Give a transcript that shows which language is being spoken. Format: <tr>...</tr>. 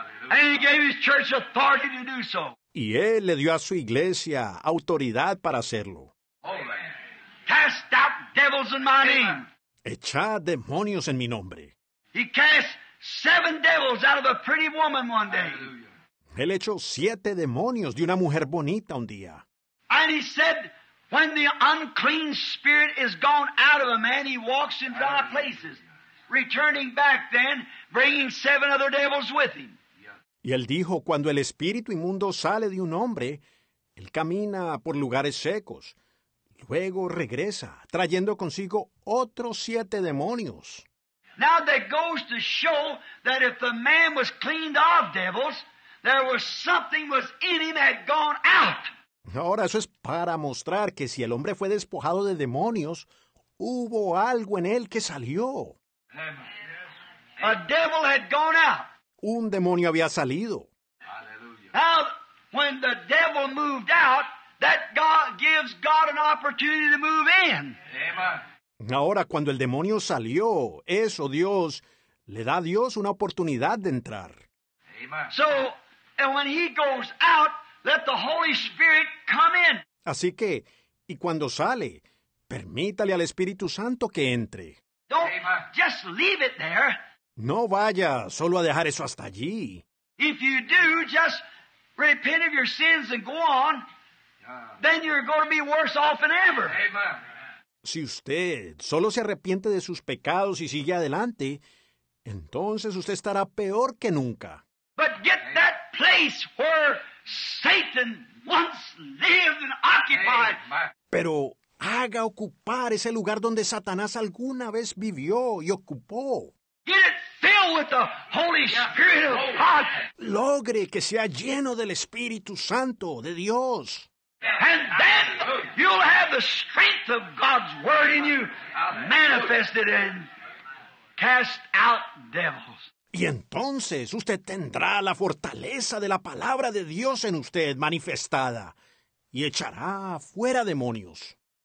<en>And he gave his church authority to do so.</en> <es>Y él le dio a su iglesia autoridad para hacerlo.</es> <en>Cast out devils in my name.</en> <es>Echad demonios en mi nombre.</es> <en>He cast 7 devils out of a pretty woman one day.</en> <es>Él echó 7 demonios de una mujer bonita un día.</es> <en>And he said, when the unclean spirit is gone out of a man, he walks in dry places, returning back then, bringing 7 other devils with him.</en> <es>Y él dijo, cuando el espíritu inmundo sale de un hombre, él camina por lugares secos. Luego regresa, trayendo consigo otros 7 demonios.</es> <en>Now that goes to show that if the man was cleaned of devils, there was something was in him that had gone out.</en> <es>Ahora eso es para mostrar que si el hombre fue despojado de demonios, hubo algo en él que salió.</es> <en>A devil had gone out.</en> <es>Un demonio había salido.</es> <en>Now, when the devil moved out, that gives God an opportunity to move in.</en> <es>Ahora, cuando el demonio salió, eso Dios le da a Dios una oportunidad de entrar.</es> <en>So, and when he goes out, let the Holy Spirit come in.</en> <es>Así que, y cuando sale, permítale al Espíritu Santo que entre.</es> <en>Don't just leave it there.</en> <es>No vaya solo a dejar eso hasta allí.</es> <en>If you do, just repent of your sins and go on, then you're going to be worse off than ever.</en> <es>Si usted solo se arrepiente de sus pecados y sigue adelante, entonces usted estará peor que nunca.</es> <en>But get that place where Satan once lived and occupied.</en> <es>Pero haga ocupar ese lugar donde Satanás alguna vez vivió y ocupó.</es> <en>Get it filled with the Holy Spirit of God.</en> <es>Logre que sea lleno del Espíritu Santo de Dios.</es> <en>And then you'll have the strength of God's word in you manifested and cast out devils.</en> <es>Y entonces usted tendrá la fortaleza de la palabra de Dios en usted manifestada y echará fuera demonios.</es>